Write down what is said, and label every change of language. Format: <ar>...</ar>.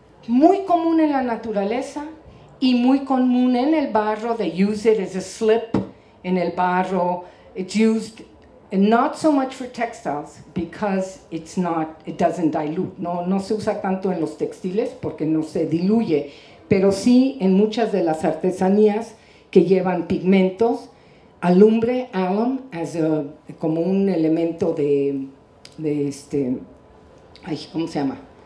<es>Muy común en la naturaleza y muy común en el barro.</es> <en>They use it as a slip</en> <es>en el barro.</es> <en>It's used not so much for textiles because it doesn't dilute.</en> <es>No se usa tanto en los textiles porque no se diluye, pero sí en muchas de las artesanías que llevan pigmentos, alumbre, alum, como un elemento ¿cómo se llama?</es>